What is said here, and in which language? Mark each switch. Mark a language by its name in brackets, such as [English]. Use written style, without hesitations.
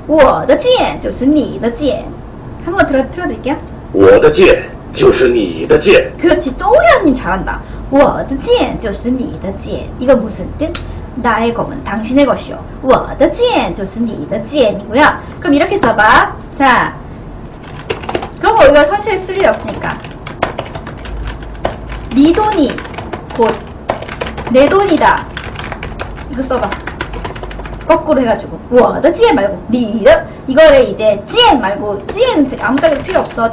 [Chinese] 我的剑就是你的剑.我的剑就是你的剑. [Korean] 한번 틀어드릴게요. [Chinese] 我的剑就是你的剑. [Korean] 그렇지, 또우야님 잘한다. [Chinese] 我的剑就是你的剑. [Korean] 이건 무슨 뜻? 나의 검은 당신의 것이요. [Chinese] 我的剑就是你的剑이고요. [Korean] 그럼 이렇게 써봐. 자, 그럼 우리가 사실 쓸 일이 없으니까. 네 돈이 곧 내 돈이다. 이거 써봐. 거꾸로 해가지고. [Chinese] 我的剑 [Korean] 말고 니的. 이거를 이제 찌엔 말고, 찌엔 아무짝에도 필요 없어.